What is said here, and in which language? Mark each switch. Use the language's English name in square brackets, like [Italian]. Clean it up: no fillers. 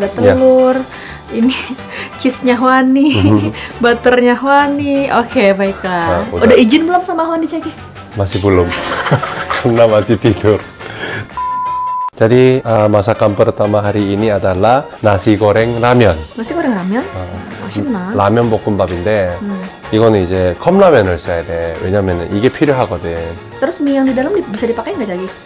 [Indonesian] Ada telur. Ya. Ini cheese-nya Hwani. Butter-nya Hwani. Oke, baiklah. Nah, udah izin belum sama Hwani, Cagi? Masih belum. Karena masih tidur. Jadi masakan pertama hari ini adalah nasi goreng ramyeon. Nasi goreng ramyeon? [Korean] 맛있나? 라면 볶음밥인데 이거는 이제 컵라면을 써야 돼. 왜냐면은 이게 필요하거든. [Indonesian] Terus mie yang di dalam bisa dipakai nggak lagi?